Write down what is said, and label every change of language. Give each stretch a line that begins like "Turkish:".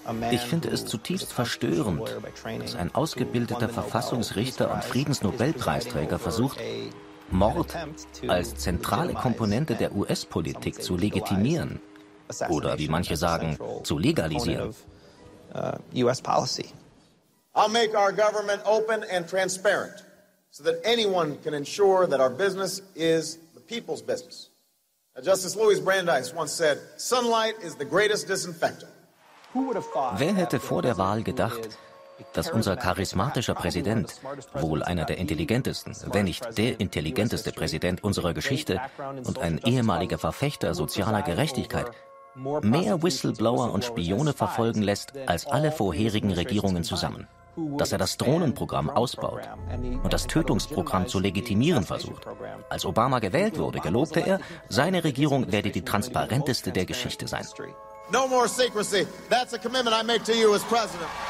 German: Ich finde es zutiefst verstörend, dass ein ausgebildeter Verfassungsrichter und Friedensnobelpreisträger versucht, Mord als zentrale Komponente der US-Politik zu legitimieren oder, wie manche sagen, zu legalisieren.
English: I'll make our government open and transparent, so that anyone can ensure that our business is the people's business. Justice Louis Brandeis once said, "Sunlight is the greatest disinfectant."
German: Wer hätte vor der Wahl gedacht, dass unser charismatischer Präsident, wohl einer der intelligentesten, wenn nicht der intelligenteste Präsident unserer Geschichte und ein ehemaliger Verfechter sozialer Gerechtigkeit, mehr Whistleblower und Spione verfolgen lässt als alle vorherigen Regierungen zusammen? Dass er das Drohnenprogramm ausbaut und das Tötungsprogramm zu legitimieren versucht. Als Obama gewählt wurde, gelobte er, seine Regierung werde die transparenteste der Geschichte sein.
English: No more secrecy. That's a commitment I make to you as president.